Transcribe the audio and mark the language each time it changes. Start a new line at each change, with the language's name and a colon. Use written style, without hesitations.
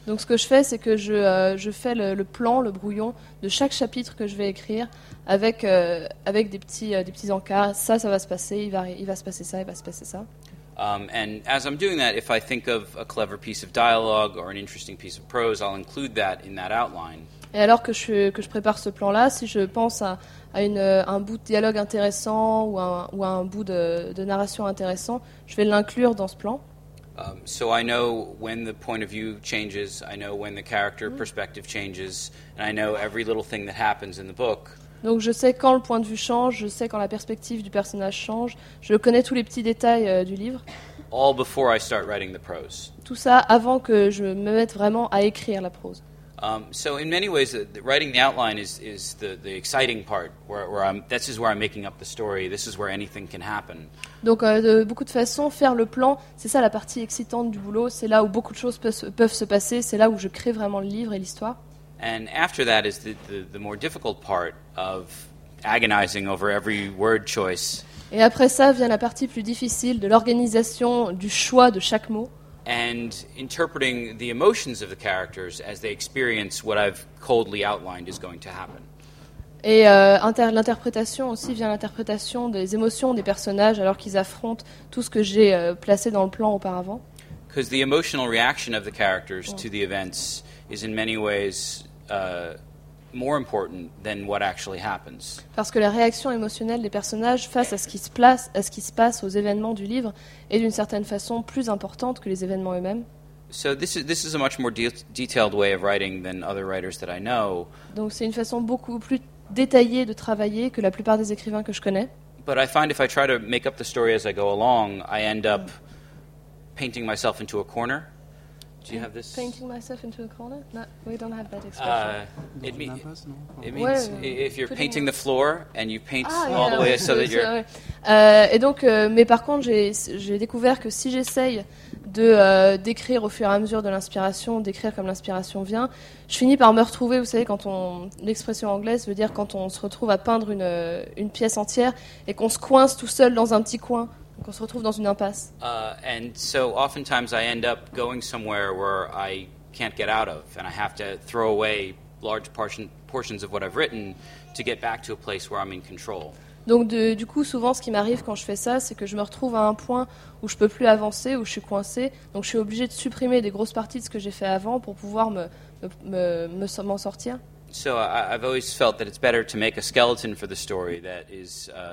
French: Donc ce que je fais, c'est que je fais le plan, le brouillon de chaque chapitre que je vais écrire avec des petits encarts. Ça va se passer, il va se passer ça, il va se passer ça.
English: And as I'm doing that, if I think of a clever piece of dialogue or an interesting piece of prose, I'll include that in that outline.
French: Et alors que je prépare ce plan-là, si je pense à un bout de dialogue intéressant ou à un bout de narration intéressant, je vais l'inclure dans ce plan.
English: So I know when the point of view changes, I know when the character perspective changes, and I know every little thing that happens in the book.
French: Donc je sais quand le point de vue change, je sais quand la perspective du personnage change, je connais tous les petits détails du livre.
English: All before I start writing the prose.
French: Tout ça avant que je me mette vraiment à écrire la prose.
English: So in many ways, writing the outline is the exciting part, where I'm making up the story, this is where anything can happen.
French: Donc de beaucoup de façons, faire le plan, c'est ça la partie excitante du boulot, c'est là où beaucoup de choses peuvent se passer, c'est là où je crée vraiment le livre et l'histoire.
English: And after that is the more difficult part of agonizing over every word choice.
French: Et après ça vient la partie plus difficile de l'organisation du choix de chaque mot.
English: and interpreting the emotions of the characters as they experience what I've coldly outlined is going to happen.
French: Et l'interprétation aussi vient l'interprétation des émotions des personnages alors qu'ils affrontent tout ce que j'ai placé dans le plan auparavant.
English: Because the emotional reaction of the characters to the events is in many ways more important than what actually happens.
French: Parce que la réaction émotionnelle des personnages face à ce qui se place, à ce qui se passe aux événements du livre est d'une certaine façon plus importante que les événements eux-mêmes.
English: So this is a much more detailed way of writing than other writers that I know.
French: Donc c'est une façon beaucoup plus détaillée de travailler que la plupart des écrivains que je connais.
English: But I find if I try to make up the story as I go along, I end up painting myself into a corner. Do you have this? Painting myself into a corner? No, we don't have that expression. It means if you're painting the floor and you paint all the way so that you're.
French: Et donc, mais par contre, j'ai découvert que si j'essaye de d'écrire au fur et à mesure de l'inspiration, d'écrire comme l'inspiration vient, je finis par me retrouver. Vous savez, quand on l'expression anglaise veut dire quand on se retrouve à peindre une pièce entière et qu'on se coince tout seul dans un petit coin. Qu'on se retrouve dans une impasse.
English: And so oftentimes I end up going somewhere where I can't get out of, and I have to throw away large portions of what I've written to get back to a place where I'm in control.
French: Donc du coup, souvent, ce qui m'arrive quand je fais ça, c'est que je me retrouve à un point où je peux plus avancer, où je suis coincé. Donc je suis obligé de supprimer des grosses parties de ce que j'ai fait avant pour pouvoir m'en sortir.
English: So I've always felt that it's better to make a skeleton for the story that is.